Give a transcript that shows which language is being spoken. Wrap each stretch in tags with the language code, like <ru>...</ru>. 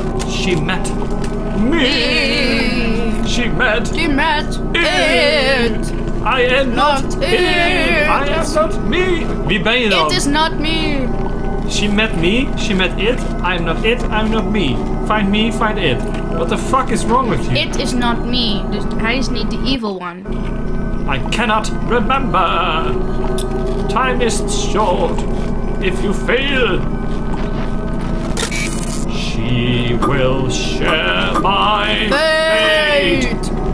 <en>She met me. She met it. I am not it. I am not me.</en> <nl>Wie ben je dan?</nl> <en>It is not me. She met me, she met it, I'm not it, I'm not me. Find me, find it. What the fuck is wrong with you? It is not me,</en> <nl>dus hij is niet de evil one.</nl> <en>I cannot remember. Time is short. If you fail, she will share my fate.</en>